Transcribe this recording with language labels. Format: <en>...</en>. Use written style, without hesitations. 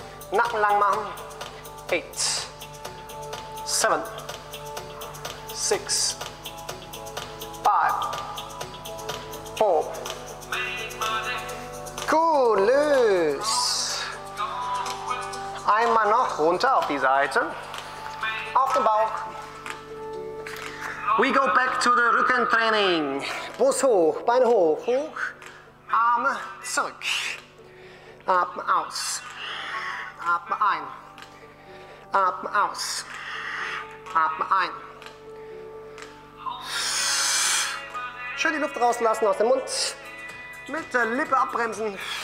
<de>Nacken lang machen.</de> <en>Eight. Seven. Six. Five. Four.</en> <de>Cool. Löse. Einmal noch runter auf die Seite. Auf den Bauch.</de> <en>We go back to the Rückentraining.</en> <de>Brust hoch, Beine hoch, hoch, Arme zurück. Atmen aus, atmen ein, atmen aus, atmen ein. Schön die Luft rauslassen aus dem Mund. Mit der Lippe abbremsen.</de>